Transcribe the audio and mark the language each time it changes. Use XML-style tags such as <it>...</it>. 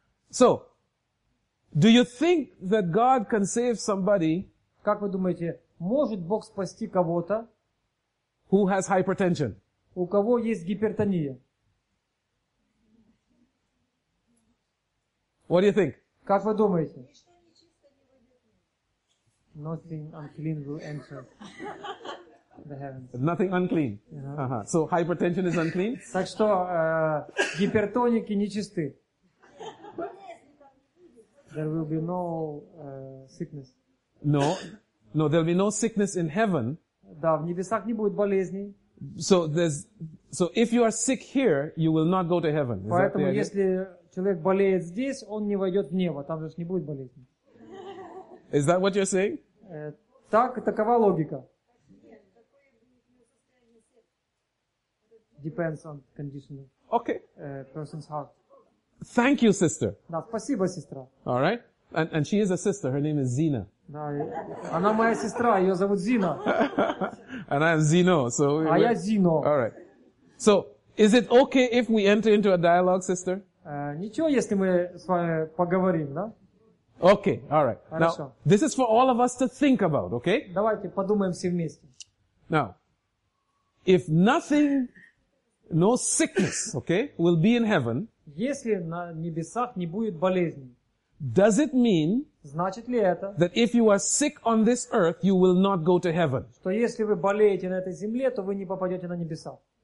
<en>So, do you think that God can save somebody?</en> <ru>Как вы думаете, может Бог спасти кого-то?</ru> <en>Who has hypertension?</en> <ru>У кого есть гипертония?</ru> <en>What do you think?</en> <ru>Как вы думаете?</ru> <en>Nothing unclean will enter the heavens. Nothing unclean. So hypertension is unclean?</en> <ru>Так что гипертоники нечисты.</ru> <en>There will be no sickness. No, there'll be no sickness in heaven.</en> <ru>Да, в небесах не будет болезней.</ru> <en>So if you are sick here, you will not go to heaven.</en> <ru>Поэтому если человек болеет здесь, он не войдет в небо, там же не будет болезни.</ru> <en>Is that what you're saying?</en> <ru>Такова логика.</ru> <en>Depends on condition. Okay. Person's heart. Thank you, sister.</en> <ru>Да, спасибо, сестра.</ru> <en>All right. And she is a sister. Her name is Zina.</en> <ru>Да, она моя сестра. Ее зовут Зина.</ru> <en>And I'm Zino.</en> <ru>Я Зино.</ru> <en>All right. So, is it okay if we enter into a dialogue, sister?</en> <ru>Ничего, если мы с вами поговорим, да?</ru> <en>Okay, all right.</en> <ru>Хорошо.</ru> <en>Now, this is for all of us to think about, okay?</en> <ru>Давайте подумаем все вместе.</ru> <en>Now, if nothing, no sickness, okay, will be in heaven,</en> <ru>если на небесах не будет болезни,</ru> <en>does it mean,</en> <ru>значит ли это,</ru> <en>that if you are sick on this earth, you will not go to heaven?</en> <ru>Что если вы болеете на этой земле, то вы не попадете на небеса.</ru>